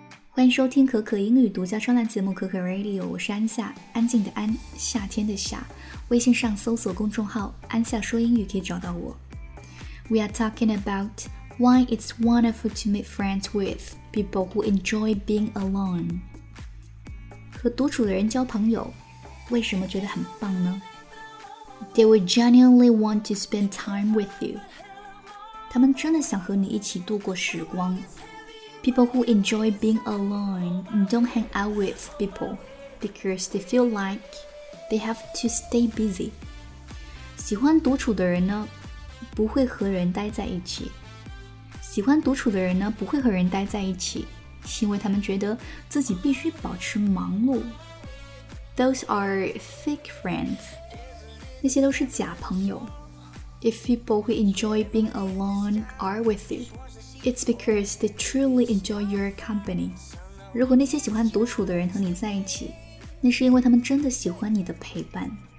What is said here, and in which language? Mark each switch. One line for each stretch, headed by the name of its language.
Chinese: 欢迎收听可可英语独家专栏节目可可 Radio， 我是安夏，安静的安，夏天的夏。微信上搜索公众号安夏说英语可以找到我。
English: We are talking about why it's wonderful to make friends with people who enjoy being alone.
Chinese: 和独处的人交朋友为什么觉得很棒呢？
English: They will genuinely want to spend time with you.
Chinese: 他们真的想和你一起度过时光。
English: People who enjoy being alone and don't hang out with people because they feel like they have to stay busy.
Chinese: 喜欢独处的人呢不会和人待在一起。喜欢独处的人呢不会和人待在一起是因为他们觉得自己必须保持忙碌。
English: Those are fake friends. 那些都是假朋友。 If people who enjoy being alone are with you,It's because they truly enjoy your company.
Chinese: 如果那些喜欢独处的人和你在一起，那是因为他们真的喜欢你的陪伴。